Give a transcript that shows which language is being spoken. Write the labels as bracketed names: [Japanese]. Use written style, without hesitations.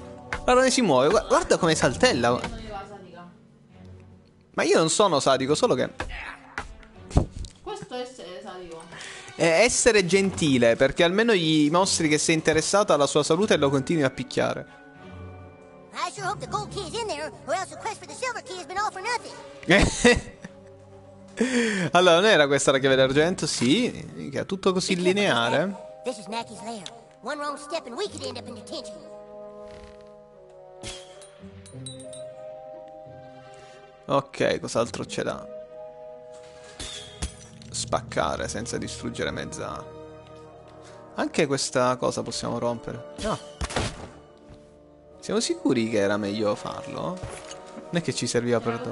[Italian] Guarda come si muove, guarda come saltella. Ma io non sono sadico, solo che... Questo è essere sadico. È essere gentile, perché almeno gli mostri che sei interessato alla sua salute e lo continui a picchiare. [English] I sure hope the gold key is in there, or else the quest for the silver key has been all for nothing. [Italian] Allora, non era questa la chiave d'argento? Sì, che è tutto così lineare. [English] This is Mackie's lair. One wrong step and we could end up in detention. [Italian] Ok, cos'altro c'è da spaccare senza distruggere mezza... Anche questa cosa possiamo rompere. No. Siamo sicuri che era meglio farlo? Non è che ci serviva per dopo.